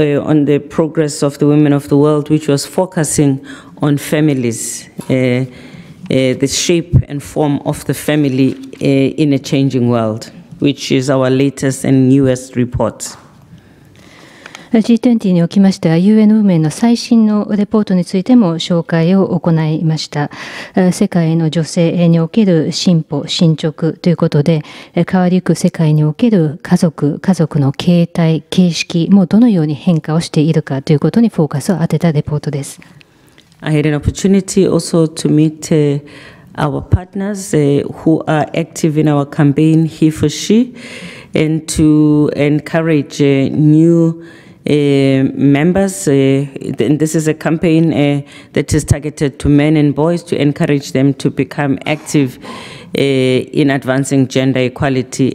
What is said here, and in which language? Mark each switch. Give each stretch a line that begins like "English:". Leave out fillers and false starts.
English: On the progress of the women of the world, which was focusing on families, the shape and form of the family in a changing world, which is our latest and newest report.
Japanese: G20 におきましては UN ウーメンの最新のレポートについても紹介を行いました。世界の女性における進歩進捗ということで、変わりゆく世界における家族の形態形式もどのように変化をしているかということにフォーカスを当てたレポートです。
English: I had an opportunity also to meet our partners who are active in our campaign He for She and to encourage newmembers, and this is a campaign that is targeted to men and boys to encourage them to become active in advancing gender equality.